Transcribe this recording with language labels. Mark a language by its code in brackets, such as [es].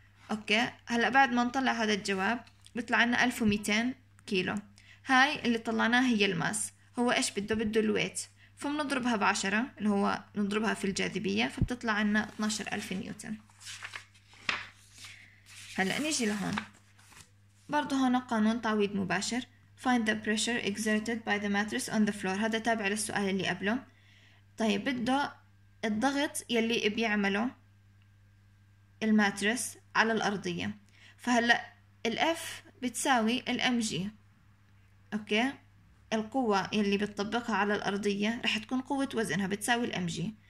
[ar] أوكي، هلأ بعد ما نطلع هذا الجواب بيطلع لنا 1200 كيلو. هاي اللي طلعناها هي الماس. هو إيش بده؟ بده الويت، فبنضربها بعشرة اللي هو نضربها في الجاذبية، فبتطلع لنا 12000 نيوتن. هلأ نيجي لهون، برضو هون قانون تعويض مباشر. [en] Find the pressure exerted by the mattress on the floor. [ar] هذا تابع للسؤال اللي قبله. طيب بده الضغط يلي بيعمله الماترس على الأرضية. فهلأ ال F بتساوي ال MG. أوكي، القوة يلي بتطبقها على الأرضية رح تكون قوة وزنها بتساوي ال MG.